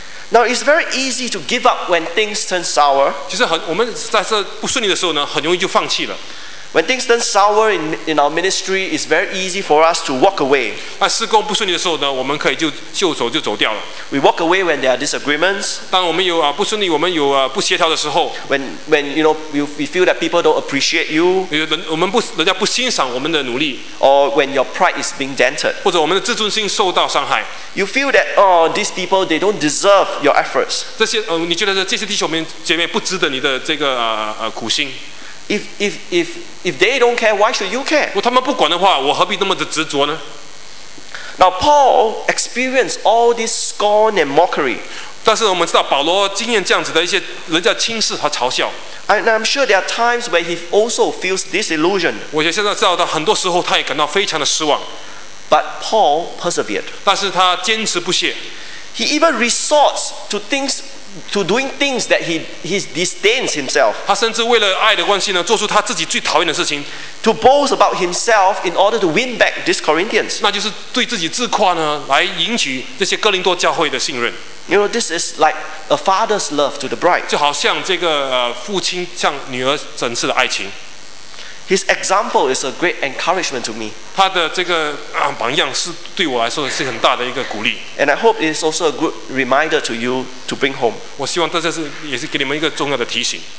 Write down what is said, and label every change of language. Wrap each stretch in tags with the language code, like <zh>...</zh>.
<en>Now it's very easy to give up when things turn sour.</en> <zh>其实我们在这不顺利的时候呢，很容易就放弃了。</zh> <en>When things turn sour in our ministry, it's very easy for us to walk away.</en> <zh>在事工不顺利的时候呢，我们可以就走就走掉了。</zh> <en>We walk away when there are disagreements.</en> <zh>当我们有不顺利，我们有不协调的时候。</zh> <en>When you know we feel that people don't appreciate you.</en> <zh>我们不人家不欣赏我们的努力。</zh> <en>Or when your pride is being dented.</en> <zh>或者我们的自尊心受到伤害。</zh> <en>You feel that oh, these people they don't deserve your efforts.</en> <zh>这些你觉得这些弟兄们姐妹不值得你的这个苦心。</zh> <en>If they don't care, why should you care?</en> <zh>如果他们不管的话，我何必那么的执着呢？</zh> <en>Now Paul experienced all this scorn and mockery.</en> <zh>但是我们知道保罗经验这样子的一些人家轻视和嘲笑。</zh> <en>And I'm sure there are times where he also feels disillusioned.</en> <zh>我现在知道他很多时候他也感到非常的失望。</zh> <en>But Paul persevered.</en> <zh>但是他坚持不懈。</zh> <en>He even resorts to things to doing things that he disdains himself.</en> <zh>他甚至为了爱的关系呢，做出他自己最讨厌的事情。</zh> <en>To boast about himself in order to win back these Corinthians.</en> <zh>那就是对自己自夸呢，来赢取这些哥林多教会的信任。</zh> <en>You know, this is like a father's love to the bride.</en> <zh>就好像这个父亲向女儿展示的爱情。</zh> <en>His example is a great encouragement to me.</en> <zh>他的这个榜样是对我来说是很大的一个鼓励。</zh> <en>And I hope it is also a good reminder to you to bring home.</en> <zh>我希望这是也是给你们一个重要的提醒。</zh>